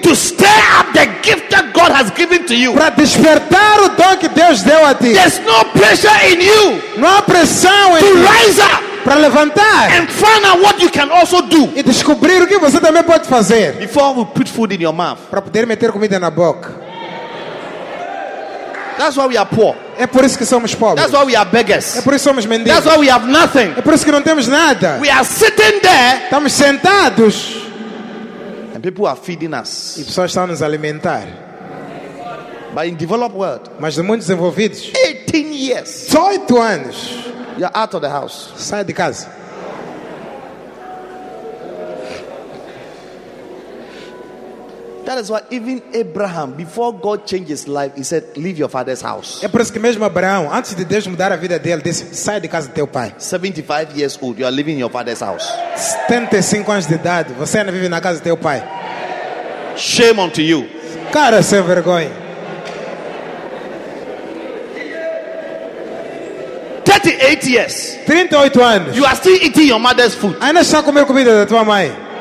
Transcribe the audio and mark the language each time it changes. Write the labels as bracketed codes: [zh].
[en] To stir up the gift that God has given to you. [pt] Para despertar o dom que Deus deu a ti. [en] There's no pressure in you. [pt] Não há pressão em ti. [en] To rise up. [pt] Para levantar. [en] And find out what you can also do. [pt] E descobrir o que você também pode fazer. [en] Before we put food in your mouth. [pt] Para poder meter comida na boca. [en] That's why we are poor. [pt] É por isso que somos pobres. [en] That's why we are beggars. [pt] É por isso que somos mendigos. [en] That's why we have nothing. [pt] É por isso que não temos nada. [en] We are sitting there. [pt] Estamos sentados. [en] And people are feeding us. [pt] E pessoas estão nos alimentar. [en] But in developed world. [pt] Mas no mundo desenvolvido. [en] 18 years. [pt] 18 anos. [en] You're out of the house. [pt] Sai de casa. [en] That is why even Abraham, before God changed his life, he said, "Leave your father's house." [pt] É por isso que mesmo Abraão, antes de Deus mudar a vida dele, disse, sai de casa do teu pai. [en] 75 years old, you are living in your father's house. [pt] 75 anos de idade, você ainda vive na casa do teu pai. [en] Shame unto you. [pt] Cara, sem vergonha. [en] 38 years. [pt] 38 anos. [en] You are still eating your mother's food. [pt] Ainda está a comer comida da tua mãe.